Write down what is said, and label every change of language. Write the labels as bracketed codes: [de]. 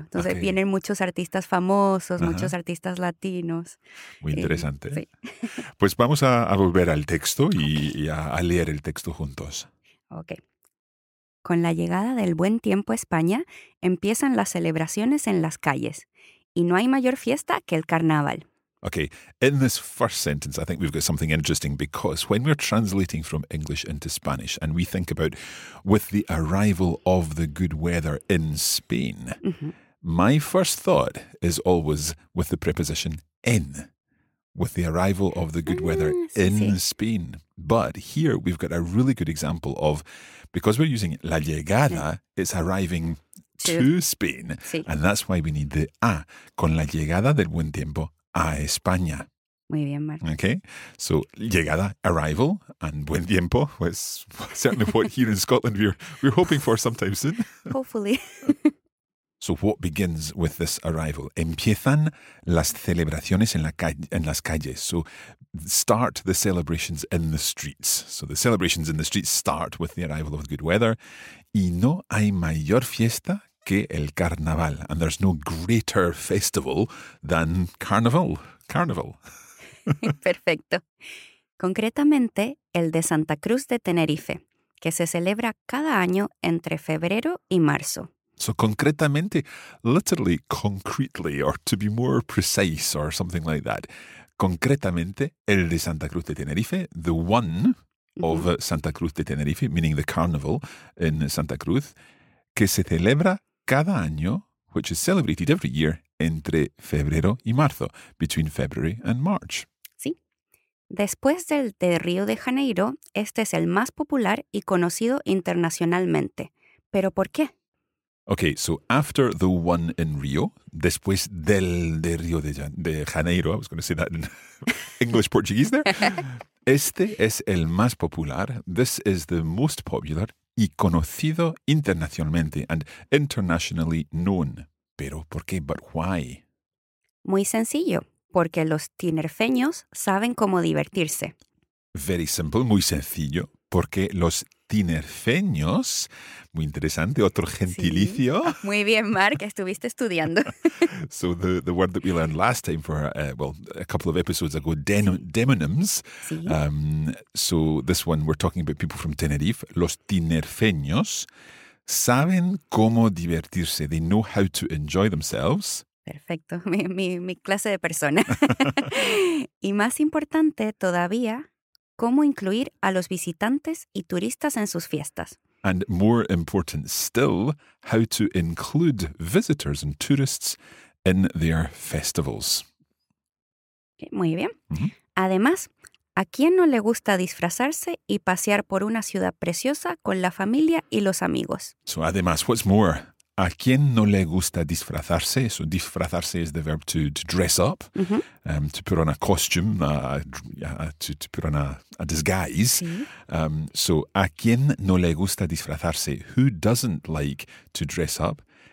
[es] Entonces vienen muchos artistas famosos, muchos artistas latinos. Muy interesante. Sí. Pues vamos a volver al texto y a leer el texto juntos. Ok. Con la llegada del buen tiempo a España, empiezan las celebraciones en las calles. Y no hay mayor fiesta que el carnaval. [en] Okay, in this first sentence, I think we've got something interesting because when we're translating from English into Spanish and we think about with the arrival of the good weather in Spain, My first thought is always with the preposition in, with the arrival of the good weather in Spain. But here we've got a really good example of, because we're using la llegada, it's arriving to Spain. [es] Sí. [en] And that's why we need the a, [es] con la llegada del buen tiempo a España. Muy bien, Mark. [en] Okay, so llegada, arrival, and buen tiempo, was certainly what here in Scotland we're hoping for sometime soon. Hopefully. So what begins with this arrival? [es] Empiezan las celebraciones en las calles. [en] So start the celebrations in the streets. So the celebrations in the streets start with the arrival of the good weather. [es] Y no hay mayor fiesta que el carnaval. [en] And there's no greater festival than carnaval. [es] Carnaval. Perfecto. Concretamente, el de Santa Cruz de Tenerife, que se celebra cada año entre febrero y marzo. [en] So concretamente, literally, concretely, or to be more precise, or something like that. [es] Concretamente, el de Santa Cruz de Tenerife, [en] the one of Santa Cruz de Tenerife, meaning the carnival in Santa Cruz, [es] que se celebra cada año, [en] which is celebrated every year, [es] entre febrero y marzo, [en] between February and March. [es] Sí. Después del de Río de Janeiro, este es el más popular y conocido internacionalmente. ¿Pero por qué? [en] Okay, so after the one in Rio, [es] después del de Río de Janeiro, [en] I was going to say that in English Portuguese there. [es] Este es el más popular. [en] This is the most popular [es] y conocido internacionalmente [en] and internationally known. [es] Pero ¿por qué? [en] But why? [es] Muy sencillo, porque los tinerfeños saben cómo divertirse. [en] Very simple, [es] muy sencillo, porque los tinerfeños, muy interesante, otro gentilicio. Sí. Muy bien, Mark, estuviste estudiando. [en] So the word that we learned last time for, a couple of episodes ago, demonyms. [es] Sí. [en] So this one, we're talking about people from Tenerife. [es] Los tinerfeños saben cómo divertirse. [en] They know how to enjoy themselves. [es] Perfecto, mi clase de persona. Y más importante todavía, ¿cómo incluir a los visitantes y turistas en sus fiestas? [en] And more important still, how to include visitors and tourists in their festivals. [es] Muy bien. Mm-hmm. Además, ¿a quién no le gusta disfrazarse y pasear por una ciudad preciosa con la familia y los amigos? So además, [en] what's more, [es] ¿a quién no le gusta disfrazarse? [en] So disfrazarse is the verb to dress up, to put on a costume, to put on a disguise. Mm-hmm. [es] So ¿a quién no le gusta disfrazarse? [en] Who doesn't like to dress up?